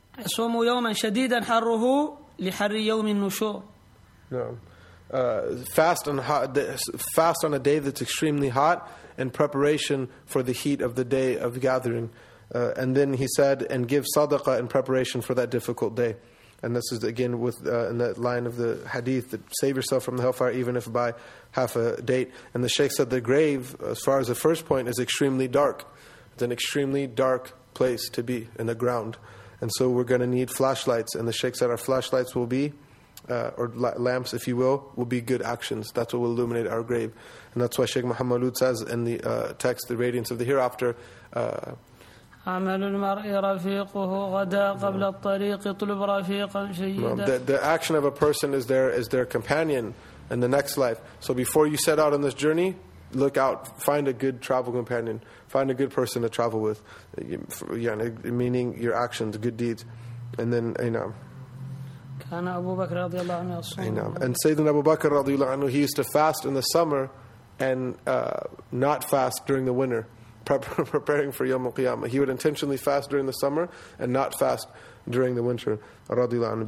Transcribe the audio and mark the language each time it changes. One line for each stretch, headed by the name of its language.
Arabic: صوموا يوما شديدا حره لحر يوم النشور.
English: Fast on a day that's extremely hot in preparation for the heat of the day of gathering. And then he said, and give sadaqah in preparation for that difficult day. And this is again with in that line of the hadith that save yourself from the hellfire even if by half a date. And the Shaykh said the grave, as far as the first point, is extremely dark. It's an extremely dark place to be in the ground. And so we're going to need flashlights. And the Shaykh said our flashlights will be, lamps, if you will be good actions. That's what will illuminate our grave. And that's why Shaykh Muhammad Alud says in the text, the radiance of the hereafter,
Arabic: عمل المرء رفيقه غدا قبل الطريق اطلب رفيقا جيدا.
English: The action of a person is their companion in the next life. So before you set out on this journey, look out, find a good travel companion, find a good person to travel with. Meaning your actions, good deeds, and then
Arabic: كان أبو بكر رضي الله عنه يصوم.
English: And Sayyidina Abu Bakr
Arabic: رضي الله عنه,
English: he used to fast in the summer, and not fast during the winter. preparing for Yawm al-Qiyamah. He would intentionally fast during the summer and not fast during the winter, radiallahu anhu.